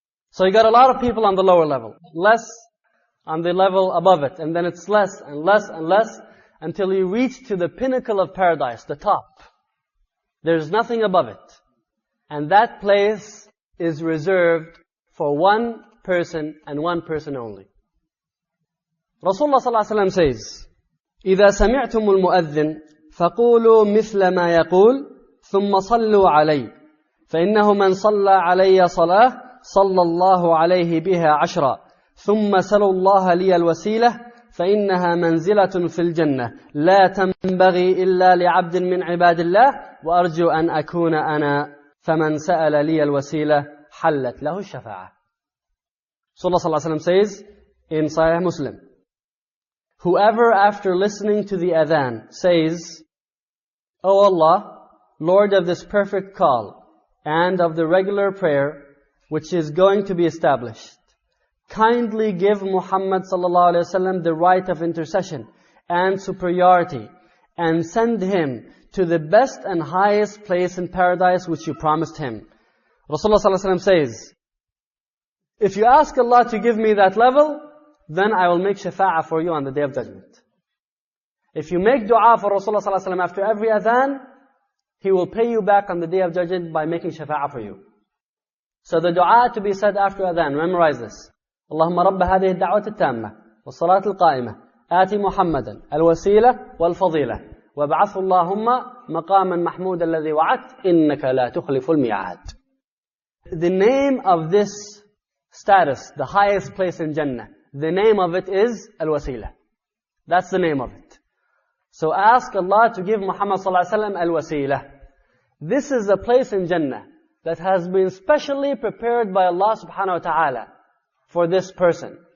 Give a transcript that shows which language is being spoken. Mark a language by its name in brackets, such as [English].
[English] So you got a lot of people on the lower level, less on the level above it, and then it's less and less and less until you reach to the pinnacle of paradise, the top. There's nothing above it. And that place is reserved for one person and one person only. [Arabic] Rasulullah صلى الله عليه وسلم says, إِذَا سَمِعْتُمُ الْمُؤَذِّنِ فَقُولُوا مِثْلَ مَا يَقُولُ ثُمَّ صَلُّوا عَلَيْهِ فَإِنَّهُ مَنْ صَلَّى عَلَيَّ صَلَاةً صلى الله عليه بها عشرا ثم سلوا الله لي الوسيلة فإنها منزلة في الجنة لا تنبغي إلا لعبد من عباد الله وأرجو أن أكون أنا فمن سأل لي الوسيلة حلت له الشفاعة. [English] صلى الله عليه وسلم says in Sahih Muslim, whoever after listening to the adhan says, O Allah, Lord of this perfect call and of the regular prayer which is going to be established, kindly give Muhammad sallallahu alaihi wasallam the right of intercession and superiority and send him to the best and highest place in paradise which you promised him. Rasulullah sallallahu alaihi wasallam says, if you ask Allah to give me that level, then I will make shafa'ah for you on the Day of Judgment. If you make dua for Rasulullah sallallahu alaihi wasallam after every adhan, he will pay you back on the Day of Judgment by making shafa'ah for you. So the dua to be said after adhan, memorize this. [Arabic] اللهم رب هذه الدعوة التامة والصلاة القائمة آتي محمدا الوسيلة والفضيلة وابعث اللهم مقاما محمودا الذي وعدت إنك لا تخلف الميعاد. [English] The name of this status, the highest place in Jannah, the name of it is الوسيلة. That's the name of it. So ask Allah to give Muhammad صلى الله عليه وسلم الوسيلة. This is a place in Jannah that has been specially prepared by Allah subhanahu wa ta'ala for this person.